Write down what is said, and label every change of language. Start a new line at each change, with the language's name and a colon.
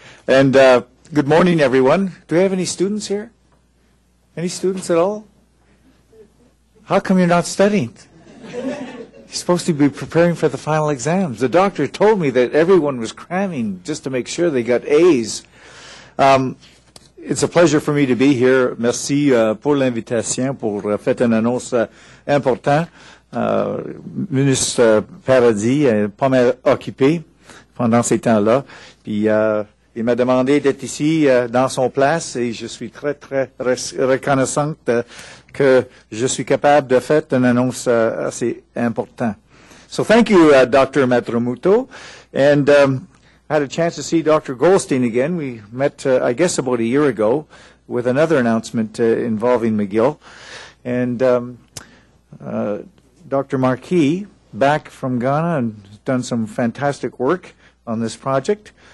English: And good morning, everyone. Do we have any students here? Any students at all? How come you're not studying? You're supposed to be preparing for the final exams. The doctor told me that everyone was cramming just to make sure they got A's. It's a pleasure for me to be here.
French: Merci pour l'invitation, pour faire une annonce importante. Ministre Paradis est pas mal occupé pendant ces temps-là. Puis il m'a demandé d'être ici dans son place et je suis très, très reconnaissante que je suis capable de faire une annonce assez importante.
English: So thank you, Dr. Matromuto. And I had a chance to see Dr. Goldstein again. We met, I guess, about a year ago with another announcement involving McGill. And Dr. Marquis, back from Ghana, and done some fantastic work on this project.